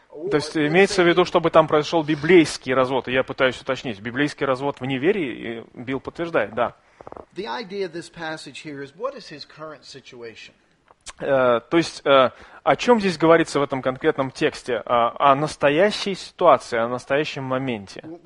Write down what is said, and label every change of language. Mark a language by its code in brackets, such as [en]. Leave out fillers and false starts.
[ru] То есть имеется в виду, чтобы там произошел библейский развод. Я пытаюсь уточнить. Библейский развод в неверии, Билл подтверждает, да. [en] The idea of this passage here is what is his current situation. [ru] То есть о чем здесь говорится в этом конкретном тексте? О настоящей ситуации, о настоящем моменте.